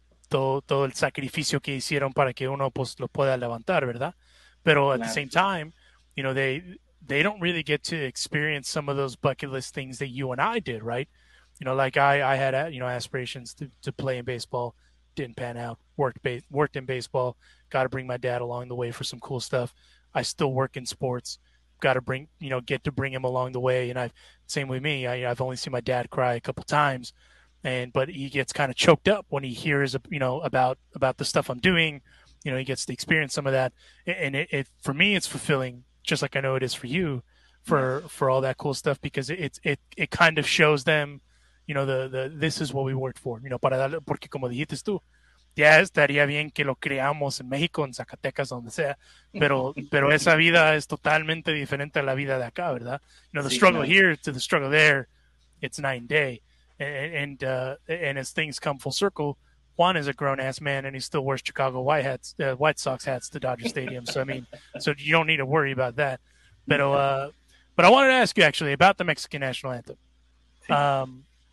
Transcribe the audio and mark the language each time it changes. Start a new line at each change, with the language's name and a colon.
Spanish: Todo el sacrificio que hicieron para que uno pues, lo pueda levantar, ¿verdad?
English: Pero at the same time, you know, they don't really get to experience some of those bucket list things that you and I did, right? You know, like I had, you know, aspirations to play in baseball. Didn't pan out. Worked in baseball. Got to bring my dad along the way for some cool stuff. I still work in sports. Got to bring, you know, get to bring him along the way. And I, same with me. I've only seen my dad cry a couple times, but he gets kind of choked up when he hears, you know, about the stuff I'm doing. You know, he gets to experience some of that. And it for me, it's fulfilling, just like I know it is for you, for all that cool stuff, because it kind of shows them. You know, the this is what we worked for. You know,
Spanish: para darle, porque como dijiste tú, ya estaría bien que lo creamos en México, en Zacatecas, donde sea. Pero esa vida es totalmente diferente a la vida de acá, ¿verdad?
English: You know, the struggle here to the struggle there, it's night and day. And as things come full circle, Juan is a grown-ass man, and he still wears Chicago White Sox hats to Dodger Stadium. So, I mean, so you don't need to worry about that. Pero, But I wanted to ask you actually about the Mexican national anthem.